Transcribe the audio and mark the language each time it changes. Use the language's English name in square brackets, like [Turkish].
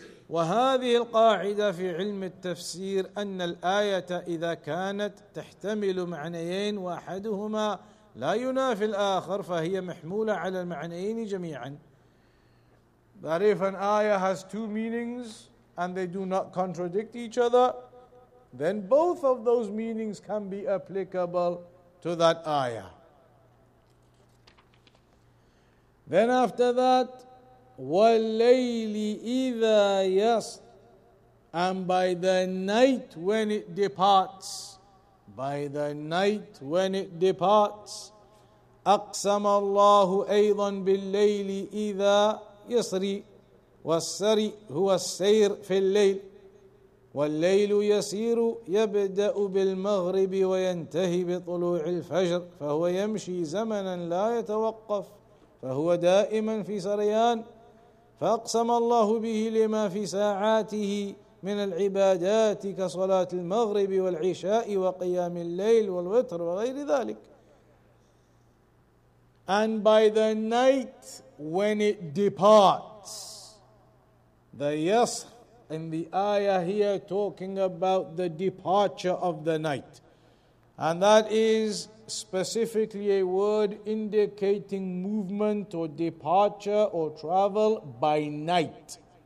[Arabic] وَهَذِهِ الْقَاعِدَةِ فِي عِلْمِ التَّفْسِيرِ أَنَّ الْآيَةَ إِذَا كَانَتْ تَحْتَمِلُ مَعْنَيَيْنِ وَأَحَدُهُمَا لَا يُنَافِ الْآخَرِ فَهِيَ مَحْمُولَ عَلَى الْمَعْنَيَيْنِ جَمِيعًا. [English] That if an ayah has two meanings and they do not contradict each other, then both of those meanings can be applicable to that ayah. Then after that, [Arabic] وَاللَّيْلِ إِذَا يَسْرِ, [English] and by the night when it departs, by the night when it departs, [Arabic] أَقْسَمَ اللَّهُ أَيْضًا بِاللَّيْلِ إِذَا يَسْرِ وَالسَّرِ هُوَ السَّيْرِ فِي اللَّيْلِ وَاللَّيْلُ يَسِيرُ يَبْدَأُ بِالْمَغْرِبِ وَيَنْتَهِ بِطُلُوعِ الْفَجْرِ فَهُوَ يَمْشِي زَمَنًا لَا يَتَوَقَّفُ فهو دائما في سريان فأقسم الله به لما في ساعاته من العبادات كصلاة المغرب والعشاء وقيام الليل والوتر وغير ذلك. [English] And by the night when it departs, the yasr in the ayah here talking about the departure of the night, and that is specifically a word indicating movement or departure or travel by night.